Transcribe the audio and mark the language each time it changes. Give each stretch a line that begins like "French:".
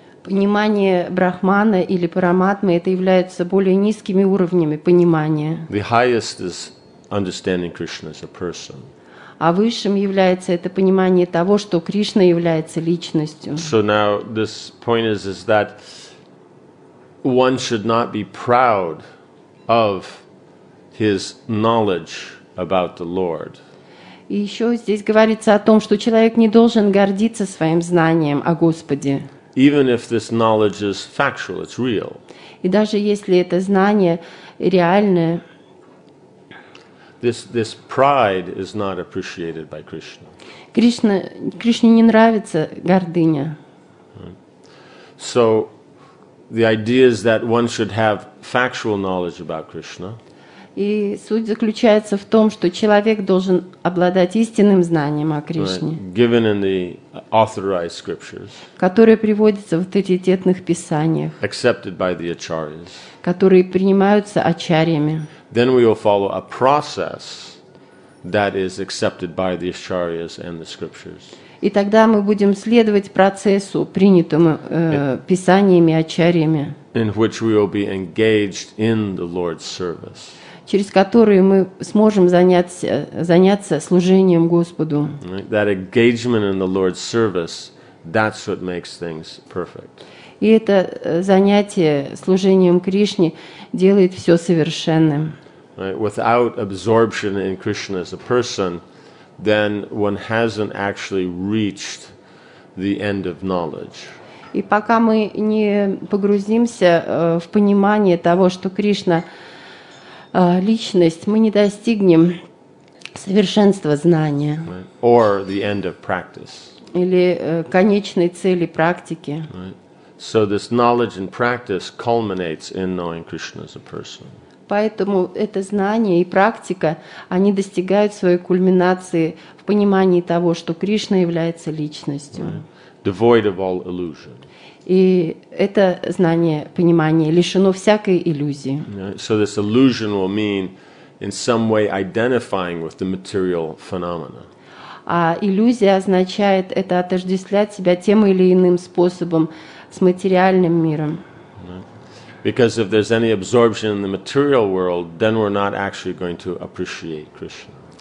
Russian: Понимание Брахмана или Параматмы это является более низкими уровнями понимания.
English: The highest is understanding Krishna as a person.
Russian: А высшим является это понимание того, что Кришна является личностью.
English: So now this point is that one should not be proud of his knowledge about the Lord.
Russian: И еще здесь говорится о том, что человек не должен гордиться своим знанием о Господе.
English: Even if this knowledge is factual, it's real.
Russian: И даже если это знание реальное.
English: This pride is not appreciated by Krishna.
Russian: Кришне не нравится гордыня.
English: So the idea is that one should have factual knowledge about Krishna.
Russian: И суть заключается в том, что человек должен обладать истинным знанием о Кришне.
English: Right. Given in the authorized scriptures.
Russian: Которые приводятся в авторитетных писаниях.
English: Accepted by the acharyas.
Russian: Которые принимаются ачарьями.
English: Then we will follow a process that is accepted by the acharyas and the scriptures.
Russian: И тогда мы будем следовать процессу, принятому писаниями, ачарьями.
English: In which we will be engaged in the Lord's service.
Russian: Через которые мы сможем заняться служением Господу.
English: Right? That engagement in the Lord's service, that's what makes things perfect.
Russian: И это занятие служением Кришне делает все совершенным.
English: Right. Without absorption in Krishna as a person, then one hasn't actually reached the end of knowledge.
Russian: И пока мы не погрузимся в понимание того, что Кришна личность, мы не достигнем совершенства знания.
English: Right. Or the end of practice.
Russian: Или конечной цели практики.
English: Right. So this knowledge and practice culminates in knowing Krishna as a person.
Russian: Поэтому это знание и практика, они достигают своей кульминации в понимании того, что Кришна является личностью.
English: Right. Devoid of all illusion.
Russian: И это знание, понимание лишено всякой иллюзии.
English: So this illusion will mean in some way identifying with the material phenomena.
Russian: А иллюзия означает это отождествлять себя тем или иным способом с материальным миром.
English: Because if there's any absorption in the material world, then we're not actually going to appreciate Krishna.